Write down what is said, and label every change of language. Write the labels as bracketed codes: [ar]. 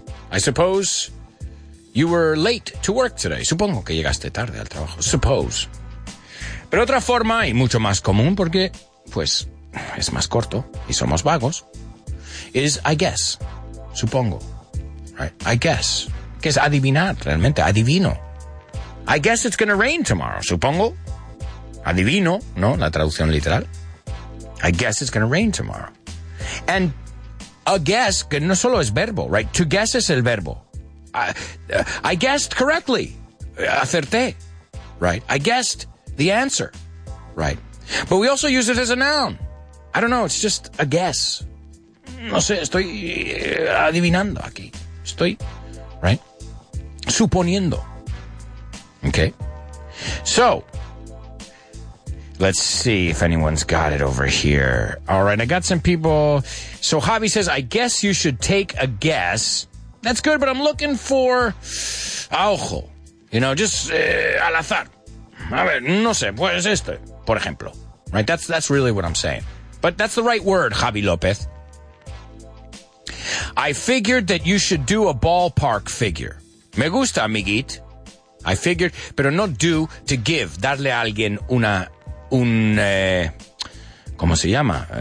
[en] I suppose you were late to work today. [es] Supongo que llegaste tarde al trabajo, [en] suppose. [es] Pero otra forma, y mucho más común porque, pues, es más corto y somos vagos, [en] is I guess, [es] supongo, right? [en] I guess. [es] Que es adivinar, realmente, adivino. [en] I guess it's going to rain tomorrow, [es] supongo. Adivino, ¿no? La traducción literal. [en] I guess it's going to rain tomorrow. And a guess, [es] que no solo es verbo, right? [en] To guess [es] es el verbo. [en] I guessed correctly. [es] Acerté, [en] right? I guessed the answer, right? But we also use it as a noun. I don't know, it's just a guess. [es] No sé, estoy adivinando aquí. Estoy, right? Suponiendo. Okay. [en] So, let's see if anyone's got it over here. All right, I got some people. So, Javi says, I guess you should take a guess. That's good, but I'm looking for [es] a ojo. [en] You know, just [es] al azar. A ver, no sé, pues este, por ejemplo. [en] Right, that's really what I'm saying. But that's the right word, Javi López. I figured that you should do a ballpark figure. [es] Me gusta, amiguit. [en] I figured, [es] pero no do, [en] to give, [es] darle a alguien una, ¿cómo se llama?